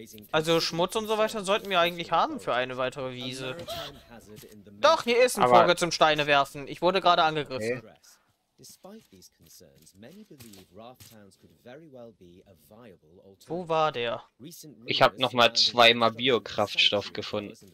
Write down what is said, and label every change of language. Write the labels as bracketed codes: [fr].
[de] Also Schmutz und so weiter sollten wir eigentlich haben für eine weitere Wiese. Doch, hier ist ein Vogel zum Steine werfen. Ich wurde gerade angegriffen. Okay. [en] Despite these concerns, many believe Raft Towns could very well be a viable alternative. [de] Wo war der? Ich habe noch mal zweimal Biokraftstoff gefunden.